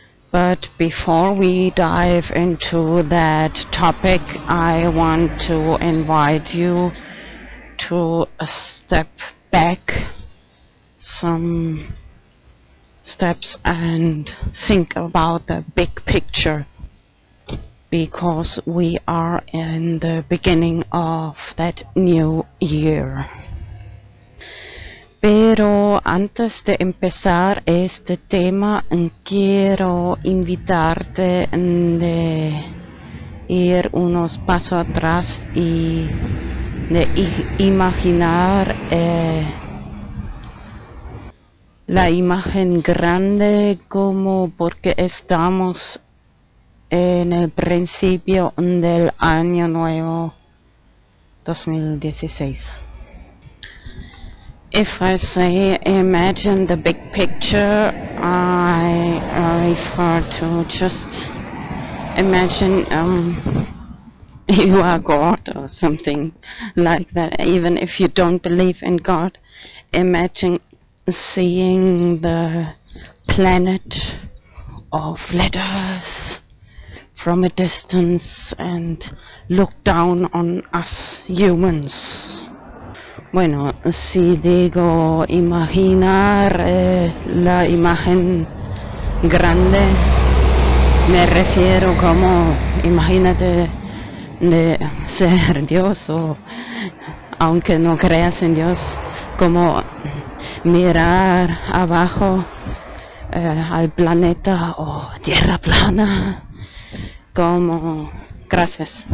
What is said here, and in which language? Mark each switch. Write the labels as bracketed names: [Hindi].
[English] But before we dive into that topic, I want to invite you to step back some steps and think about the big picture, because we are in the beginning of that new year. [Spanish] Pero antes de empezar este tema, quiero invitarte de ir unos pasos atrás y de imaginar la imagen grande, como porque estamos en el principio del año nuevo 2016. [English] If I say imagine the big picture, I refer to just imagine you are God or something like that. Even if you don't believe in God, imagine seeing the planet or flat earth from a distance and look down on us humans. [Spanish] Bueno, si digo imaginar la imagen grande, me refiero como imagínate de ser Dios, o aunque no creas en Dios, como mirar abajo al planeta o Tierra plana, como gracias.